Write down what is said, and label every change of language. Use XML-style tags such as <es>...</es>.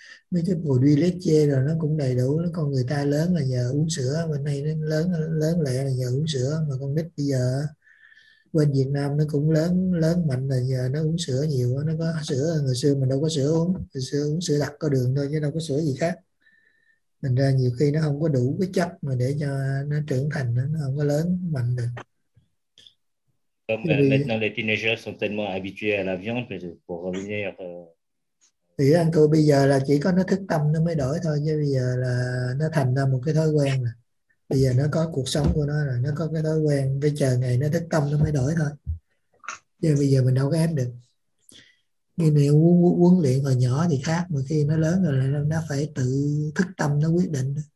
<vi>Mấy cái bồ đuôi leche rồi nó cũng đầy đủ, nó con người ta lớn là nhờ uống sữa, bên này nó lớn lớn lẹ là nhờ uống sữa, mà con nít bây giờ bên Việt Nam nó cũng lớn lớn mạnh là nhờ nó uống sữa nhiều, nó có sữa. Ngày xưa mình đâu có sữa uống, ngày xưa uống sữa đặc có đường thôi chứ đâu có sữa gì khác. Thành ra nhiều khi nó không có đủ cái chất mà để cho nó trưởng thành, nó không có lớn mạnh được.</vi> <fr>Maintenant les teenagers sont tellement habitués à la viande pour revenir.</fr> <vi>Thì ăn cơm bây giờ là chỉ có nó thức tâm nó mới đổi thôi, chứ bây giờ là nó thành ra một cái thói quen rồi. Bây giờ nó có cuộc sống của nó rồi, nó có cái thói quen, bây chờ ngày nó thức tâm nó mới đổi thôi. Chứ bây giờ mình đâu có ép được. Nhưng nếu huấn luyện hồi nhỏ thì khác, mà khi nó lớn rồi là nó phải tự thức tâm nó quyết định.</vi>